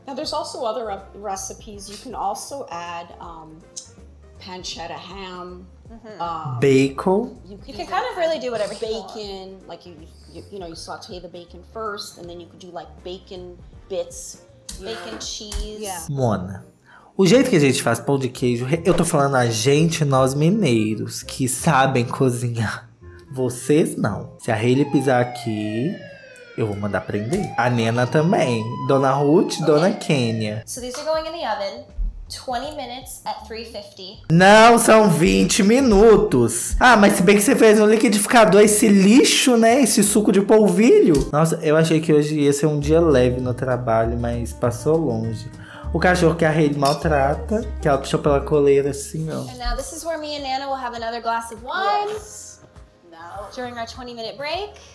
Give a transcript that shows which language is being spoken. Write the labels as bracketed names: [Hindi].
[English] Now, there's also other recipes. You can also add pancetta ham. Mm-hmm. Bacon. You can kind of really do whatever. Bacon, like you saute the bacon first, and then you could do like bacon bits, bacon cheese. Yeah. [Portuguese] Mona, o jeito que a gente faz pão de queijo, eu tô falando a gente, nós mineiros, que sabem cozinhar. Vocês não. Se a Hayley pisar aqui, Eu vou mandar prender. A Nena também. Dona Ruth, okay. Dona Kenya. [English] So these are going in the oven. 20 minutes at 350. [Portuguese] Não, são 20 minutos. Ah, mas se bem que você fez um liquidificador, esse lixo, né? Esse suco de polvilho. Nossa, eu achei que hoje ia ser um dia leve no trabalho, mas passou longe. O cachorro que a rede maltrata, que ela puxou pela coleira assim, ó. [English] And now this is where me and Nana will have another glass of wine. Yes. No. During our 20 minute break.